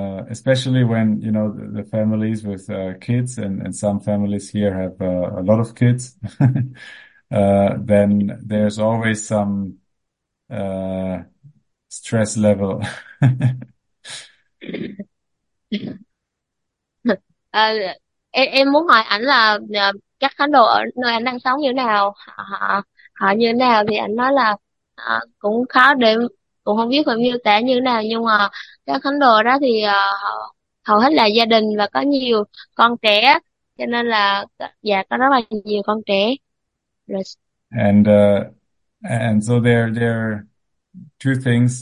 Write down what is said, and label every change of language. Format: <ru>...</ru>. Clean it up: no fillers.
<en>Especially when you know the families with kids, and some families here have a lot of kids, then there's always some stress level.</en> <vi>Em muốn hỏi ảnh là các khán đồ ở nơi anh đang sống như thế nào, họ như thế nào, thì ảnh nói là cũng khó để, cũng không biết phải miêu tả như thế nào, nhưng mà các khán đồ đó thì hầu hết là gia đình và có nhiều con trẻ, cho nên là dạ có rất là nhiều con trẻ rồi.</vi> <en>And so there are two things.</en>